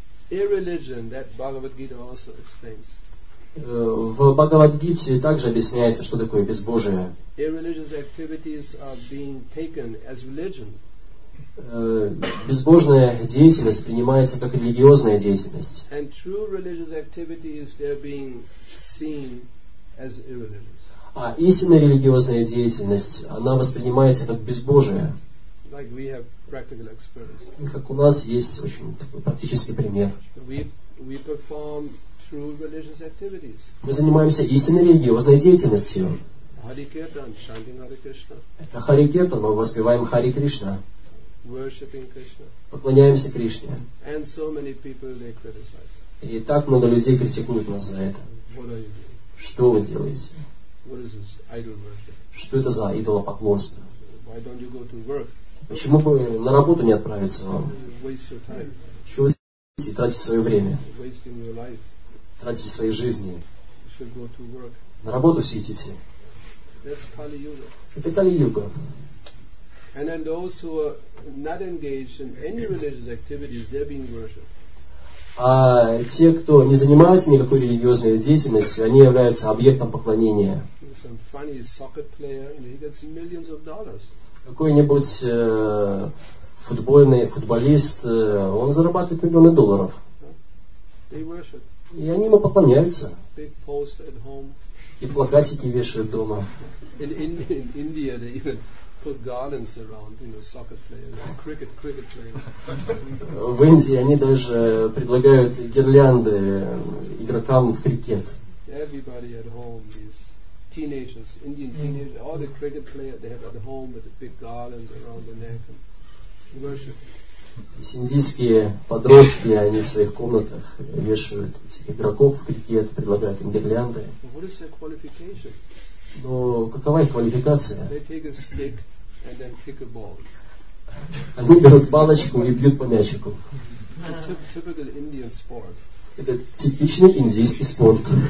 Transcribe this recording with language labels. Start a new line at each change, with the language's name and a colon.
English: Irreligion, that Bhagavad Gita also explains.
Russian: В Бхагавад-гите также объясняется, что такое безбожие.
English: Irreligious activities are being taken as religion.
Russian: Безбожная деятельность принимается как религиозная деятельность.
English: And true religious activity is there being seen as irreligious.
Russian: А истинная религиозная деятельность, она воспринимается как безбожие.
English: Like we have practical experience.
Russian: Как у нас есть очень такой практический пример.
English: We perform true religious activities.
Russian: Мы занимаемся истинной религиозной деятельностью.
English: Hare Kirtan, chanting Hare Krishna.
Russian: Это Hare Kirtan, мы воспеваем Hare Krishna.
English: Worshipping Krishna.
Russian: Поклоняемся Кришне.
English: And so many people, they criticize.
Russian: И так много людей критикуют нас за это.
English: What are you doing?
Russian: Что вы делаете?
English: What is this idol worship?
Russian: Что это за идолопоклонство?
English: Why don't you go to work?
Russian: Почему бы на работу не отправиться вам?
English: Waste your time.
Russian: Чего вы делаете? Тратите свое время.
English: Wasting your life.
Russian: Тратите свои жизни.
English: You should go to work.
Russian: На работу сидите.
English: That's Kali Yuga.
Russian: Это Кали-юга.
English: And then those who are not engaged in any religious activities, they're being worshipped.
Russian: А те, кто не занимаются никакой религиозной деятельностью, они являются объектом поклонения.
English: Some funny soccer player, you know, he gets millions of dollars.
Russian: Какой-нибудь футболист, он зарабатывает миллионы долларов.
English: They worship.
Russian: И они ему поклоняются.
English: They post at home.
Russian: И плакатики вешают дома.
English: In India, they even put garlands around, you know, soccer players, cricket players.
Russian: В Индии они даже предлагают гирлянды игрокам в крикет.
English: Everybody at home, these teenagers, Indian teenagers, all the cricket players, they have at home with a big garland around the neck and worship.
Russian: Индийские подростки, они в своих комнатах вешают игроков в крикет, предлагают им гирлянды.
English: What is their qualification?
Russian: Но какова их квалификация?
English: They take a stick and then kick a ball.
Russian: Они берут палочку и бьют по мячику.
English: Typical Indian sport.
Russian: Это типичный индийский спорт.